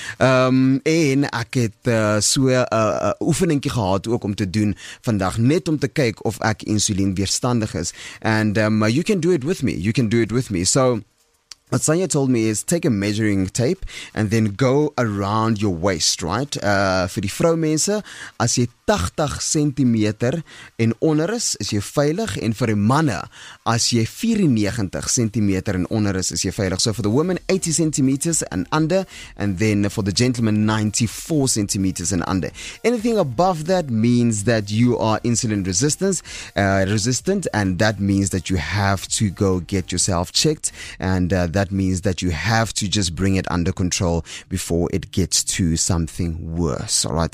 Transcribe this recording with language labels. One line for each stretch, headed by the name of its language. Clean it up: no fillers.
Afrikaans: En ek het so 'n oefeningkie gehad ook om te doen vandag net om te kyk of ek insulien weerstandig is.
English: And you can do it with me. You can do it with me. So what Sanja told me is take a measuring tape and then go around your waist, right?
Afrikaans: Vir die vrouwmense, as jy 80 centimeter en onder is jy veilig. En vir die manne, as jy 94 centimeter en onder is jy veilig.
English: So for the women, 80 centimeters and under. And then for the gentleman, 94 centimeters and under. Anything above that means that you are insulin resistant. And that means that you have to go get yourself checked. And that means that you have to just bring it under control before it gets to something worse. All right.